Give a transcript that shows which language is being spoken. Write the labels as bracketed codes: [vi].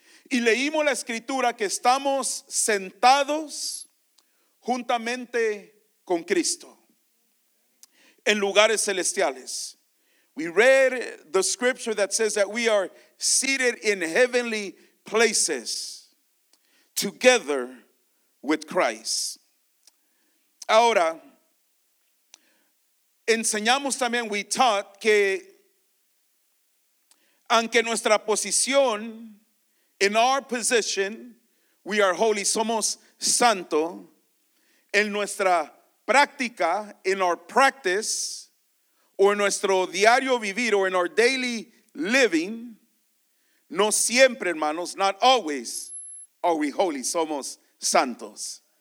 [es] Y leímos la escritura que estamos sentados juntamente con Cristo en lugares celestiales. [en] We read the scripture that says that we are seated in heavenly places together with Christ. [es] Ahora, enseñamos también, [en] we taught [es] que aunque nuestra posición, [en] in our position, we are holy, [es] somos santo, en nuestra práctica, [en] in our practice, [es] o en nuestro diario vivir, [en] or in our daily living, [es] no siempre, hermanos, [en] not always, are we holy, [es] somos santos.